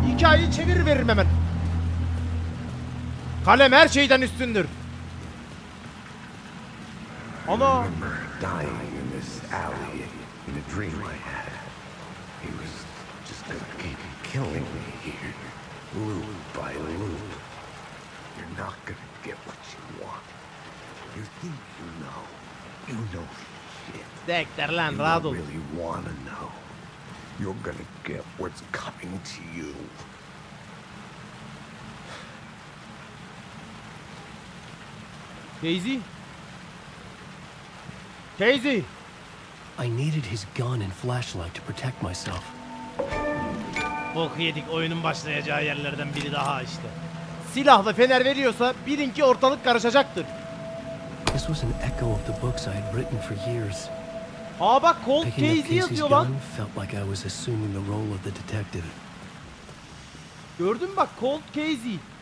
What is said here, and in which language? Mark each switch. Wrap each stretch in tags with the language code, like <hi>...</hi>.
<tr>Hikayeyi çevirir veririm hemen. Kalem her şeyden üstündür. Ana.</tr> <en>Dying in this alley in a dream I had. He was just gonna keep killing me here. Loop by loop. You're not gonna get what you want. You think you know. You know.</en> <tr>Dexter lan, rahat ol.</tr> <en>Really wanna know. You're gonna get what's coming to you. Casey? I needed his gun and flashlight to protect myself.</en> <tr>Bok yedik, oyunun başlayacağı yerlerden biri daha işte. Silahla fener veriyorsa bilin ki ortalık karışacaktır.</tr> <en>This was an echo of the books I had written for years.</en> <tr>Aa bak, Colt Casey yazıyor lan.</tr> <en>Felt like I was assuming the role of the detective.</en> <tr>Gördün mü bak, Colt Casey.</tr>